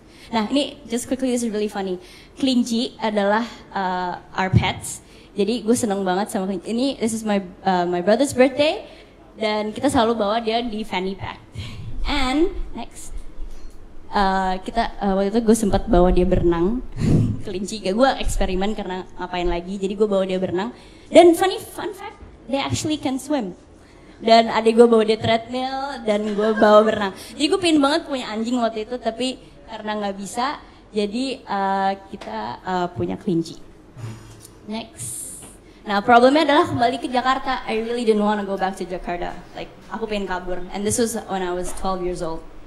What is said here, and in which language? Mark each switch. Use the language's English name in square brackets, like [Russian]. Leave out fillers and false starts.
[Indonesian] Nah ini [English] just quickly, this is really funny. [Indonesian] Kelinci adalah [English] our pets. [Indonesian] Jadi gue seneng banget sama kelinci. Ini [English] this is my my brother's birthday. [Indonesian] Dan kita selalu bawa dia di fanny pack. [English] And next, [Indonesian] kita waktu itu gue sempat bawa dia berenang kelinci. Gue eksperimen karena ngapain lagi. Jadi gue bawa dia berenang. Dan [English] funny fun fact, they actually can swim. [Indonesian] Dan adik gue bawa dia treadmill dan gue bawa berenang. Jadi gue pengen banget punya anjing waktu itu, tapi karena nggak bisa, jadi kita punya kelinci. Next. Nah, problemnya adalah kembali ke Jakarta. [English] I really didn't want to go back to Jakarta. Like, [Indonesian] aku pengen kabur. [English] And this was when I was 12 years old.